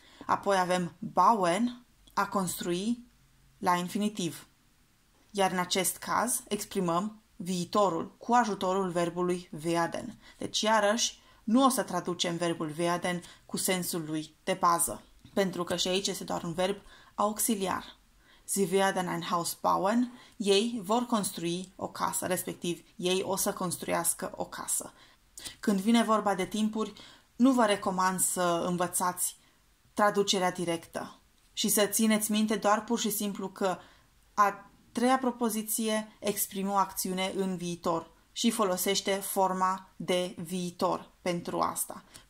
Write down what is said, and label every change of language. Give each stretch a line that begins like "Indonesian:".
Romanian: Apoi avem bauen, a construi, la infinitiv. Iar în acest caz exprimăm viitorul cu ajutorul verbului werden. Deci, iarăși, nu o să traducem verbul werden cu sensul lui de bază, pentru că și aici este doar un verb auxiliar.
German: Sie werden ein Haus bauen.
Romanian: Ei vor construi o casă, respectiv, ei o să construiască o casă. Când vine vorba de timpuri, nu vă recomand să învățați traducerea directă și să țineți minte doar pur și simplu că a treia propoziție exprimă o acțiune în viitor și folosește forma de viitor pentru asta.